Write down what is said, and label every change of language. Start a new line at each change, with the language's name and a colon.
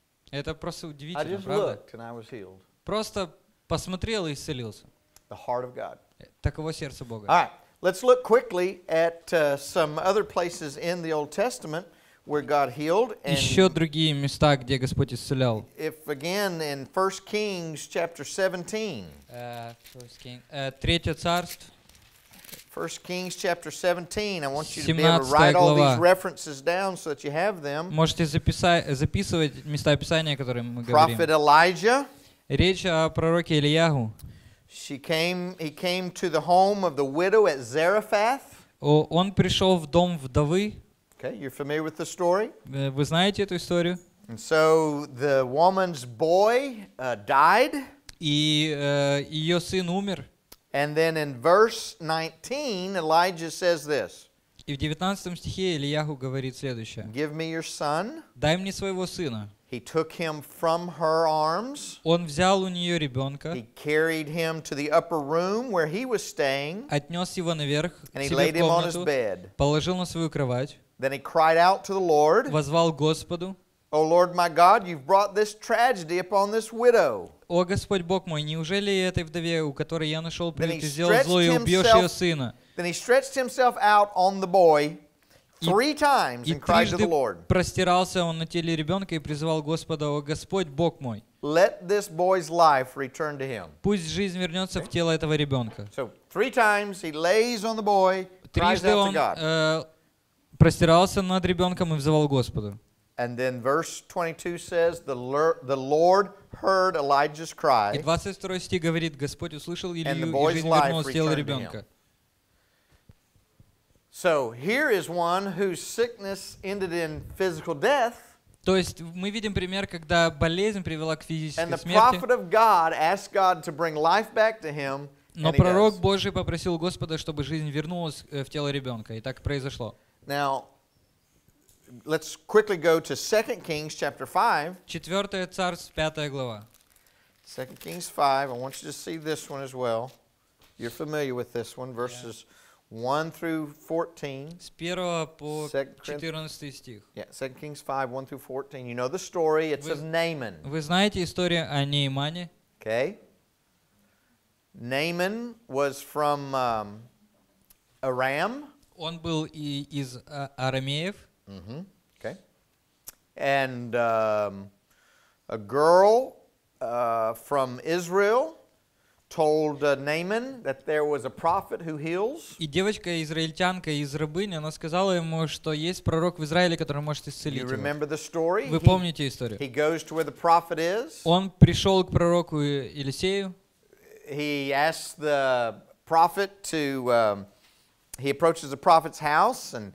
Russian: Это просто удивительно, правда? Просто посмотрел и исцелился.
English: The heart of God.
Russian: Таково сердце Бога.
English: All right. Let's look quickly at some other places in the Old Testament where God healed.
Russian: Еще другие места, где Господь исцелял.
English: If again in 1 Kings chapter 17.
Russian: 3 Царств.
English: 1 Kings chapter 17. I want you to be able to write all these references down so that you have them.
Russian: Можете записывать места Писания, о которых мы говорим.
English: Prophet Elijah.
Russian: Речь о пророке Илиягу.
English: He came to the home of the widow at Zarephath.
Russian: Он пришел в дом вдовы.
English: Okay, you're familiar with the story.
Russian: Вы знаете эту историю.
English: And so the woman's boy died.
Russian: И ее сын умер.
English: And then in verse 19, Elijah says this.
Russian: И в 19 стихе Илиягу говорит следующее.
English: Give me your son.
Russian: Дай мне своего сына.
English: He took him from her arms.
Russian: Он взял у нее ребенка.
English: He carried him to the upper room where he was staying.
Russian: Отнес его наверх.
English: And he laid him on his bed.
Russian: Положил на свою кровать.
English: Then he cried out to the Lord.
Russian: Возвал Господу.
English: O Lord, my God, you've brought this tragedy upon this widow.
Russian: О Господь Бог мой, неужели этой вдове, у которой я нашел приют, ты сделал зло и убьешь ее сына?
English: Then he stretched himself out on the boy. Three times and cried to the Lord.
Russian: Простирался он на теле ребенка и призывал Господа, о Господь Бог мой.
English: Let this boy's life return to him.
Russian: Пусть жизнь вернется в тело этого ребенка.
English: So three times he lays on the boy, cries out to God.
Russian: Простирался над ребенком и взывал Господа.
English: And then verse 22 says the Lord heard Elijah's cry.
Russian: И 22 стих говорит, Господь услышал Илию, и жизнь вернулась в тело ребенка.
English: So here is one whose sickness ended in physical death.
Russian: То есть мы видим пример, когда болезнь привела к физической смерти.
English: And the prophet of God asked God to bring life back to him.
Russian: Но пророк Божий попросил Господа, чтобы жизнь вернулась в тело ребенка, и так произошло.
English: Now, let's quickly go to 2 Kings chapter 5.
Russian: Четвертое царство, пятая глава.
English: 2 Kings 5. I want you to see this one as well. You're familiar with this one, verses. 1 through 14.
Russian: С первого по 14 стих.
English: Yeah, 2 Kings 5, 1 through 14. You know the story, it's of Naaman.
Russian: Вы знаете историю о Неймане?
English: Okay. Naaman was from Aram.
Russian: Он был из арамеев.
English: Mm-hmm. Okay. And a girl from Israel told Naaman that there was a prophet who heals.
Russian: И девочка израильтянка из рабыни, она сказала ему, что есть пророк в Израиле, который может исцелить.
English: You remember the story?
Russian: Вы помните историю?
English: He goes to where the prophet is.
Russian: Он пришел к пророку Елисею.
English: He asks the prophet to he approaches the prophet's house and